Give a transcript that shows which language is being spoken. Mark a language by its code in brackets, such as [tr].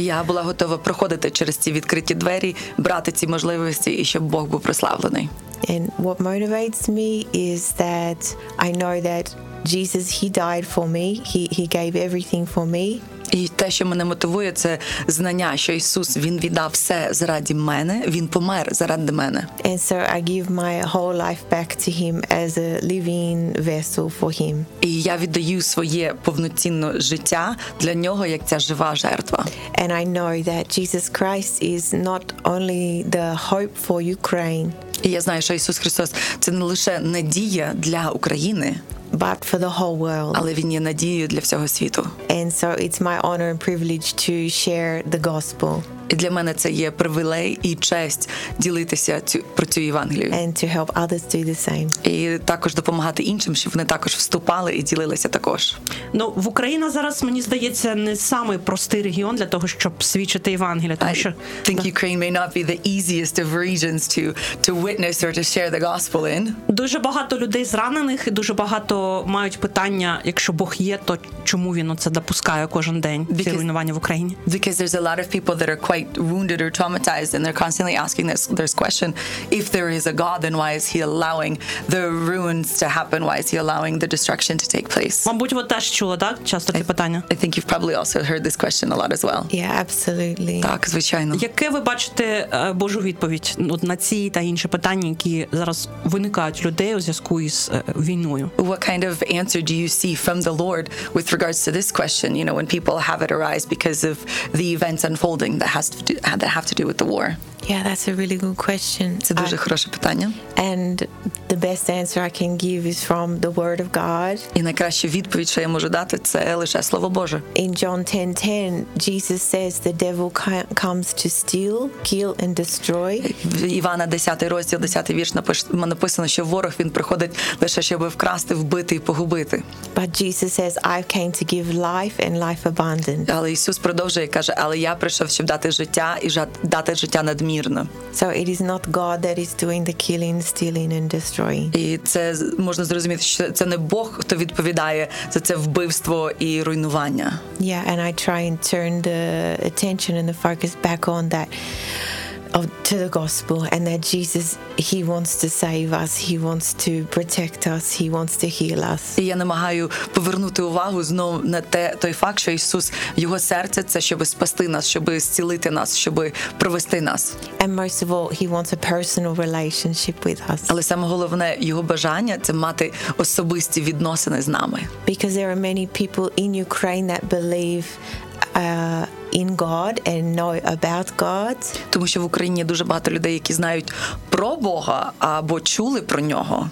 [uk] Я була готова проходити через ці відкриті двері, брати ці можливості, і щоб Бог був прославлений. [en] And what motivates me is that I know that Jesus, he died for me. He gave everything for me. [uk] І те, що мене мотивує, це знання, що Ісус, він віддав все заради мене, він помер заради мене. [en] And so I give my whole life back to him as a living vessel for him. [uk] І я віддаю своє повноцінне життя для нього як ця жива жертва. [en] And I know that Jesus Christ is not only the hope for Ukraine. [uk] І я знаю, що Ісус Христос це не лише надія для України. [en] But for the whole world. [uk] Але він є надією для всього світу. [en] And so it's my honor and privilege to share the gospel. [uk] І для мене це є привілей і честь ділитися про цю Євангелію. [en] And to help others do the same. [uk] І також допомагати іншим, щоб вони також вступали і ділилися також. Ну, в Україна зараз, мені здається, не самий простий регіон для того, щоб свідчити Євангелія, тому що [en] I think Ukraine may not be the easiest of regions to witness or to share the gospel in. [uk] Дуже багато людей зранених і дуже багато мають питання, якщо Бог є, то чому він оце допускає кожен день ці руйнування в Україні? [en] Because there's a lot of people that are quite wounded or traumatized, and they're constantly asking this question: if there is a God, then why is he allowing the ruins to happen? Why is he allowing the destruction to take place? [uk] Мабуть, ви теж чули, так? Часто це питання. [en] I think you've probably also heard this question a lot as well. Yeah, absolutely. [uk] Так, звичайно. Яке ви бачите Божу відповідь на ці та інші питання, які зараз виникають людей у зв'язку із війною? [en] What kind of answer do you see from the Lord with regards to this question, you know, when people have it arise because of the events unfolding that have to do with the war? Yeah, that's a really good question. [uk] Це дуже хороше питання. [en] And the best answer I can give is from the word of God. [uk] І найкраща відповідь, що я можу дати, це лише слово Боже. [en] In John 10:10, Jesus says the devil comes to steal, kill and destroy. [uk] В Івана 10 розділ 10 вірш написано, що ворог він приходить лише щоб вкрасти, вбити і погубити. [en] But Jesus says I came to give life and life abundant. [uk] Але Ісус продовжує і каже: "Але я прийшов, щоб дати життя і дати життя на мирно". [en] So it is not God that is doing the killing, stealing and destroying. [uk] І це можна зрозуміти, що це не Бог, хто відповідає за це вбивство і руйнування. [en] Yeah, and I try and turn the attention and the focus back on that to the gospel, and that Jesus, he wants to save us, he wants to protect us, he wants to heal us. [uk] І я намагаю повернути увагу знову на той факт, що Ісус, його серце це щоб спасти нас, щоб зцілити нас, щоб провести нас. [en] And most of all, he wants a personal relationship with us. [uk] Але саме головне його бажання це мати особисті відносини з нами. [en] Because there are many people in Ukraine that believe in God and know about God. [uk] Тому що в Україні дуже багато людей, які знають про Бога або чули про нього.